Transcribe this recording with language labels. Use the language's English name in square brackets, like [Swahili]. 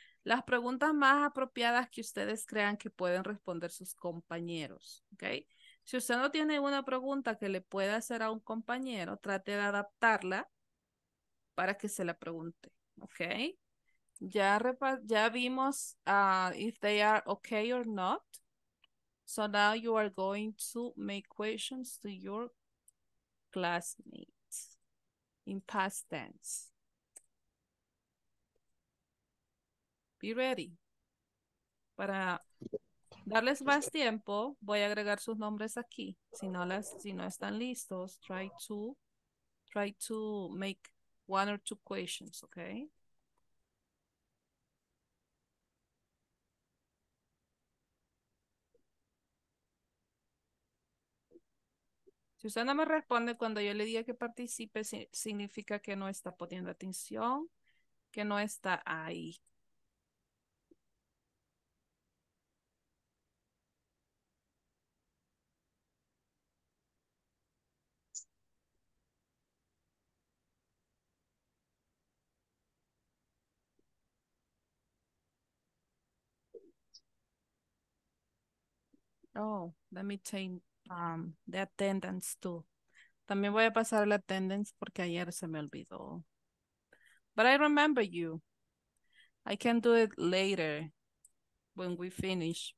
[Spanish] Las preguntas más apropiadas que ustedes crean que pueden responder sus compañeros, okay? Si usted no tiene una pregunta que le pueda hacer a un compañero, trate de adaptarla para que se la pregunte, okay? Ya vimos [English] if they are okay or not. So now you are going to make questions to your classmates in past tense. Be ready. [Spanish] Para darles más tiempo, voy a agregar sus nombres aquí. Si no están listos, [English] try to make one or two questions, okay? [Spanish] Si usted no me responde cuando yo le diga que participe, significa que no está poniendo atención, que no está ahí. [English] Oh, let me change. The attendance too. [Spanish] También voy a pasar la attendance porque ayer se me olvidó. [English] But I remember you. I can do it later when we finish.